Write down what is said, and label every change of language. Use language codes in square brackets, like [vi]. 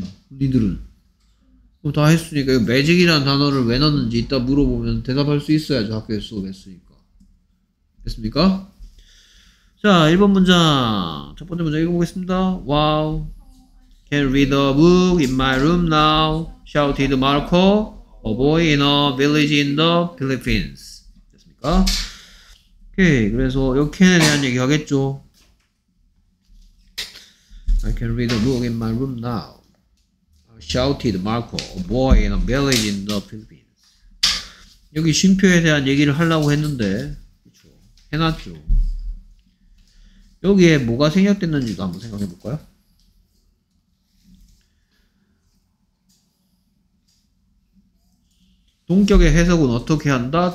[ko] 니들은. 다 했으니까, 이 매직이라는 단어를 왜 넣었는지 이따 물어보면 대답할 수 있어야죠, 학교에서 수업했으니까. 됐습니까? 자, 1번 문장. 첫 번째 문장 읽어보겠습니다. [en] Wow. Can read a book in my room now. Shouted Marco, a boy in a village in the Philippines. [ko] 됐습니까? 오케이. 그래서 여기 캔에 대한 얘기 하겠죠. [en] I can read a book in my room now. Shouted Marco, a boy in a village in the Philippines. [ko] 여기 쉼표에 대한 얘기를 하려고 했는데, 그쵸. 해놨죠. 여기에 뭐가 생략됐는지도 한번 생각해 볼까요? 동격의 해석은 어떻게 한다?